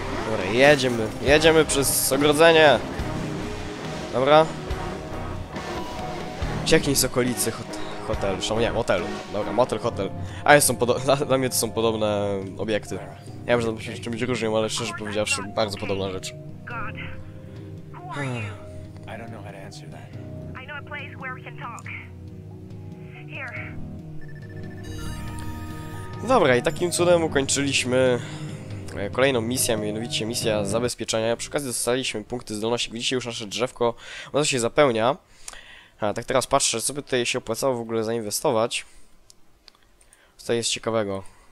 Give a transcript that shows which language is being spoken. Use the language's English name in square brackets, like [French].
[Polish] Dobra, jedziemy przez ogrodzenie. Dobra. Ucieknij z okolicy hotelu, szanowni, motelu. Dobra, motel, hotel. A jest są dla mnie to są podobne obiekty. Ja wiem, że to się czymś różnią, ale szczerze powiedziawszy, bardzo podobna rzecz. [English] I don't know how to answer that. I know a place where we can talk. Here. [Polish] Dobra, i takim cudem ukończyliśmy kolejną misję, mianowicie misja zabezpieczenia. Przy okazji dostaliśmy punkty zdolności. Widzicie, już nasze drzewko bardzo się zapełnia. A tak teraz patrzę, co by tutaj się opłacało w ogóle zainwestować. Co jest ciekawego?